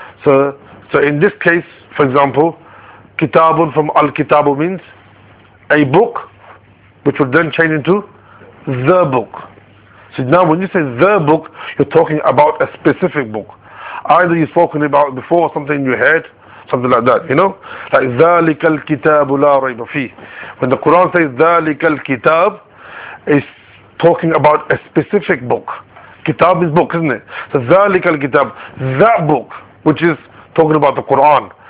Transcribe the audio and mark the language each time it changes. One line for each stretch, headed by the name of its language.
English: So in this case, for example, kitabun from al-kitabu means a book, which would then change into the book. So now when you say the book, you're talking about a specific book. Either you've spoken about it before, something you heard, something like that, you know?
Arabic: Like, ذَلِكَ الْكِتَابُ لَا رَيْبَ فِيهِ.
English: When the Quran says,
Arabic: ذَلِكَ الْكِتَابُ,
English: it's talking about a specific book. Kitab is book, isn't it? So,
Arabic: ذَلِكَ الْكِتَابُ,
English: that book, which is talking about the Quran.